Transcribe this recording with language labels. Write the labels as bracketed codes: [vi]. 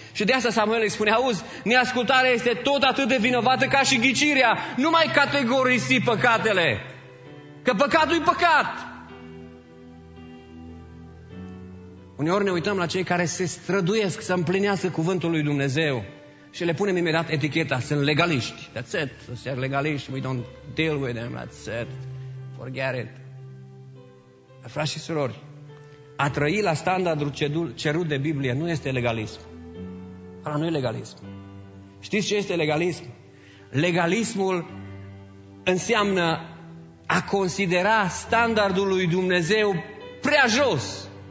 [ro] Și de asta Samuel îi spune, auzi, neascultarea este tot atât de vinovată ca și ghicirea. Nu mai categorisi păcatele, că păcatul e păcat. Uneori ne uităm la cei care se străduiesc să împlinească cuvântul lui Dumnezeu și le punem imediat eticheta, sunt legaliști. [en] That's it, [ro] sunt legaliști, [en] we don't deal with them, that's it, forget it. [ro] Frați și surori, a trăi la standardul cerut de Biblie nu este legalism. Ala nu e legalism. Știți ce este legalism? Legalismul înseamnă a considera standardul lui Dumnezeu prea jos.